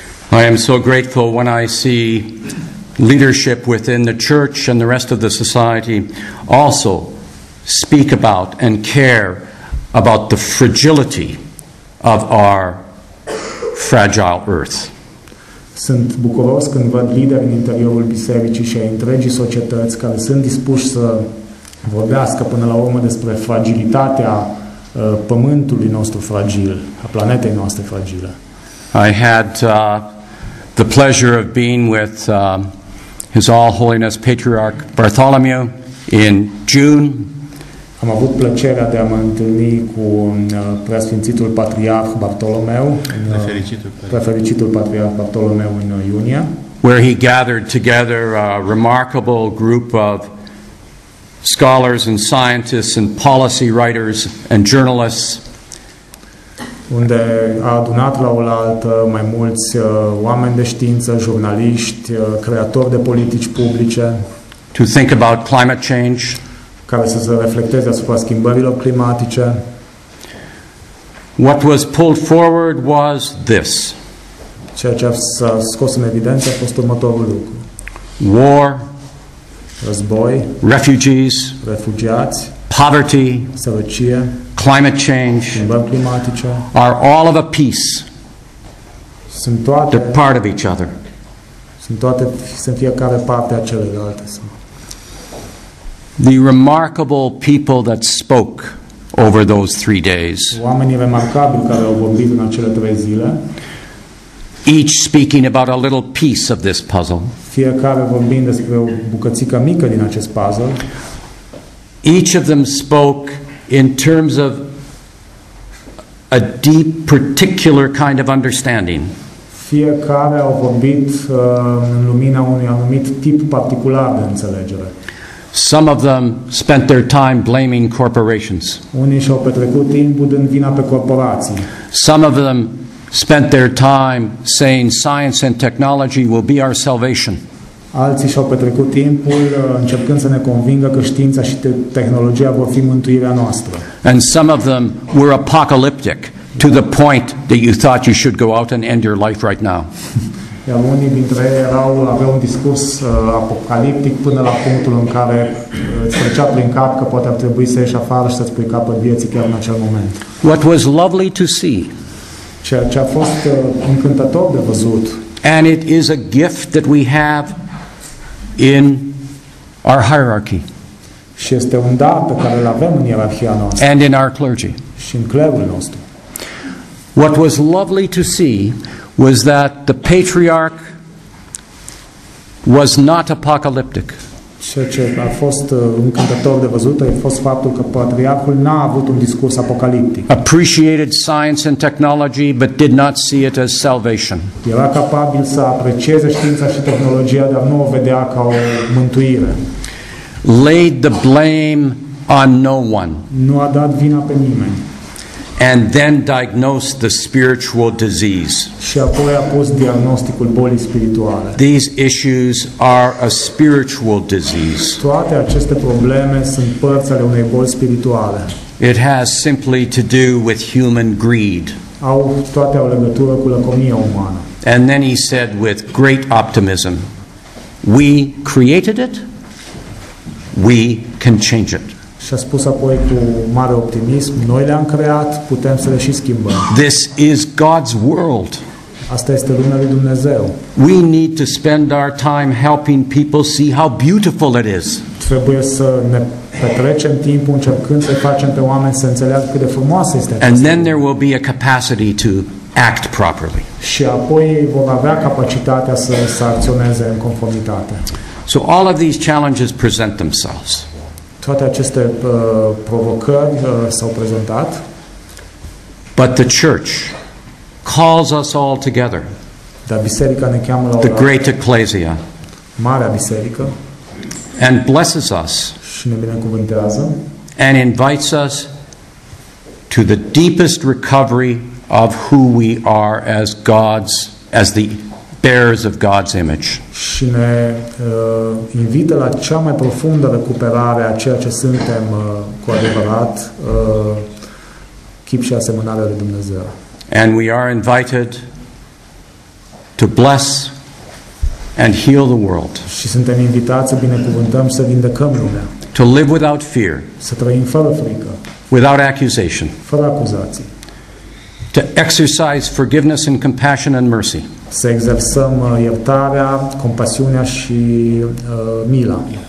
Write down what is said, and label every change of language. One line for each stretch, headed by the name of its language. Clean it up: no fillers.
English: I am so grateful when I see leadership within the church and the rest of the society also speak about and care about the fragility of our fragile earth.
Romanian: Sunt bucuros când văd lideri în interiorul bisericii și a întregii societăți care sunt dispuși să vorbească până la urmă despre fragilitatea pământului nostru fragil, a planetei noastre fragile.
English: I had the pleasure of being with His All Holiness Patriarch Bartholomew in June.
Romanian: Am avut plăcerea de a mă întâlni cu Preasfințitul Patriarh Bartolomeu, Prefericitul Patriarh Bartolomeu în iunie,
English: where he gathered together a remarkable group of scholars and scientists and policy writers and journalists,
Romanian: unde a adunat la oaltă mai mulți oameni de știință, jurnaliști, creatori de politici publice,
English: to think about climate change,
Romanian: care să se reflecteze asupra schimbărilor climatice.
English: What was pulled forward was this.
Romanian: Ceea ce s-a scos în evidență a fost următorul lucru.
English: War.
Romanian: Război.
English: Refugees.
Romanian: Refugiați.
English: Poverty.
Romanian: Sărăcie.
English: Climate change.
Romanian: Schimbări climatice.
English: Are all of a piece.
Romanian: Sunt toate.
English: They're part of each other.
Romanian: Sunt fiecare parte a celelalte.
English: The remarkable people that spoke over those 3 days.
Romanian: Oamenii remarcabili care au vorbit în acele 3 zile.
English: Each speaking about a little piece of this puzzle.
Romanian: Fiecare vorbind despre o bucățică mică din acest puzzle.
English: Each of them spoke in terms of a deep particular kind of understanding.
Romanian: Fiecare au vorbit în lumina unui anumit tip particular de înțelegere.
English: Some of them spent their time blaming corporations.
Romanian: Unii și-au petrecut timpul dând vina pe corporații.
English: Some of them spent their time saying science and technology will be our salvation.
Romanian: Alții și-au petrecut timpul încercând să ne convingă că știința și tehnologia vor fi mântuirea noastră.
English: And some of them were apocalyptic to the point that you thought you should go out and end your life right now.
Romanian: Iar unii dintre ei aveau un discurs apocaliptic până la punctul în care îți trecea prin cap că poate ar trebui să ieși afară și să-ți pui capăt vieții chiar în acel moment.
English: What was lovely to see.
Romanian: Ceea ce a fost încântător de văzut.
English: And it is a gift that we have in our hierarchy.
Romanian: Și este un dar pe care îl avem în ierarhia noastră.
English: And in our clergy.
Romanian: Și în clerul nostru.
English: What was lovely to see was that the patriarch was not apocalyptic.
Romanian: Ceea ce a fost încântător de văzut a fost faptul că patriarhul n-a avut un discurs apocaliptic.
English: Appreciated science and technology, but did not see it as salvation.
Romanian: Era capabil să aprecieze știința și tehnologia, dar nu o vedea ca o mântuire.
English: Laid the blame on no one.
Romanian: Nu a dat vina pe nimeni.
English: And then diagnosed the spiritual disease.
Romanian: Și apoi a pus diagnosticul bolii spirituale.
English: These issues are a spiritual disease.
Romanian: Toate aceste probleme sunt părți ale unei boli spirituale.
English: It has simply to do with human greed.
Romanian: Toate au legătură cu lăcomia umană.
English: And then he said with great optimism, we created it, we can change it.
Romanian: Și a spus apoi cu mare optimism, noi le-am creat, putem să le și schimbăm.
English: This is God's world.
Romanian: Asta este lumea lui Dumnezeu.
English: We need to spend our time helping people see how beautiful it is.
Romanian: Trebuie să ne petrecem timpul încercând să facem pe oameni să înțeleagă cât de frumoasă este.
English: And then there will be a capacity to act properly.
Romanian: Și apoi vom avea capacitatea să acționeze în conformitate.
English: So all of these challenges present themselves.
Romanian: Toate aceste provocări s-au prezentat.
English: But the church calls us all together.
Romanian: Dar biserica ne cheamă la
English: the great ecclesia.
Romanian: Marea biserică.
English: And blesses us.
Romanian: Și ne binecuvântează.
English: And invites us to the deepest recovery of who we are as God's, as the bearers of God's image.
Romanian: Și ne invită la cea mai profundă recuperare a ceea ce suntem cu adevărat chip și asemănarea lui Dumnezeu.
English: And we are invited to bless and heal the world.
Romanian: Și suntem invitați să binecuvântăm și să vindecăm lumea.
English: To live without fear.
Romanian: Să trăim fără frică.
English: Without accusation.
Romanian: Fără acuzații.
English: To exercise forgiveness and compassion and mercy.
Romanian: Să exersăm iertarea, compasiunea și mila.